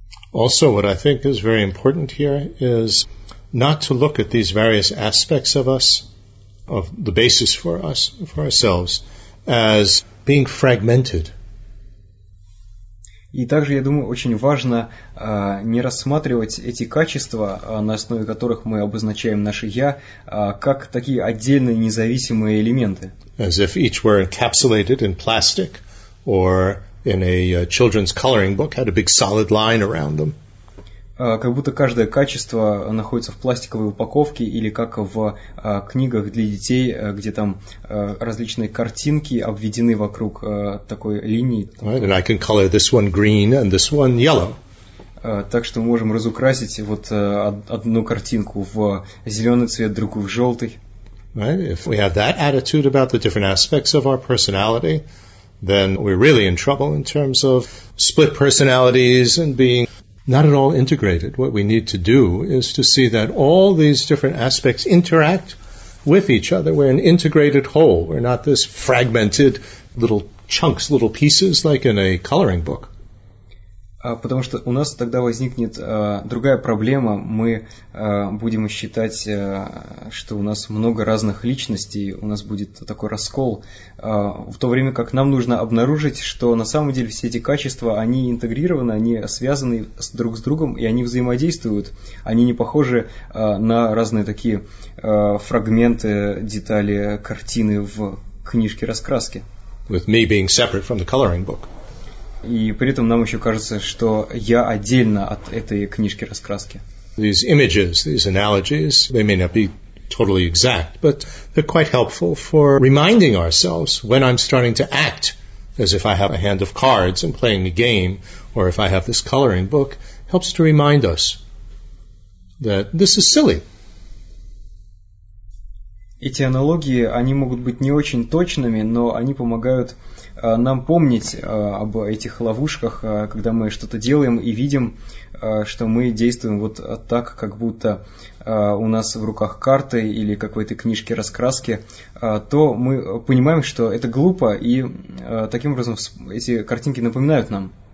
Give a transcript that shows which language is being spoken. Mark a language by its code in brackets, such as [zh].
[en] Also, what I think is very important here is not to look at these various aspects of us, of the basis for us, for ourselves, as being fragmented. [ru] И также, я думаю, очень важно не рассматривать эти качества, на основе которых мы обозначаем наше «я», как такие отдельные независимые элементы. [en] As if each were encapsulated in plastic or... in a children's coloring book had a big solid line around them. [ru] Как будто каждое качество находится в пластиковой упаковке или как в книгах для детей, где там различные картинки обведены вокруг такой линии. [en] Right, and I can color this one green and this one yellow. [ru] Так что мы можем разукрасить вот одну картинку в зеленый цвет, другую в желтый. [en] Right, if we have that attitude about the different aspects of our personality, then we're really in trouble in terms of split personalities and being not at all integrated. What we need to do is to see that all these different aspects interact with each other. We're an integrated whole. We're not this fragmented little chunks, little pieces, like in a coloring book. [ru] Потому что у нас тогда возникнет другая проблема. Мы будем считать, что у нас много разных личностей, у нас будет такой раскол, в то время как нам нужно обнаружить, что на самом деле все эти качества, они интегрированы, они связаны друг с другом, и они взаимодействуют. Они не похожи на разные такие фрагменты, детали, картины в книжке-раскраске. [en] With me being separate from the coloring book. [ru] И при этом нам еще кажется, что я отдельно от этой книжки-раскраски. [en] These images, these analogies, they may not be totally exact, but they're quite helpful for reminding ourselves when I'm starting to act as if I have a hand of cards and playing a game, or if I have this coloring book, helps to remind us that this is silly. [ru] Эти аналогии, они могут быть не очень точными, но они помогают нам помнить об этих ловушках, когда мы что-то делаем и видим, что мы действуем вот так, как будто у нас в руках карты или какой-то книжки раскраски, то мы понимаем, что это глупо, и таким образом эти картинки напоминают нам.